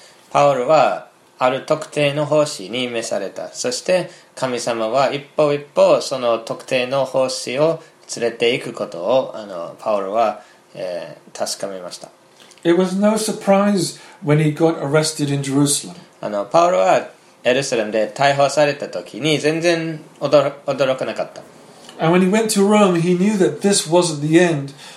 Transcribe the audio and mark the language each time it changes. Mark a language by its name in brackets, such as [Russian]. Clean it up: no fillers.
[Japanese] パウルはある特定の奉仕に召された。そして神様は一歩一歩その特定の奉仕を連れていくことをパウルは確かめました。 [English] It was no surprise when he got arrested in Jerusalem. [Japanese] パウルはエルサレムで逮捕された時に全然驚かなかった。 [English] And when he went to Rome, he knew that this wasn't the end.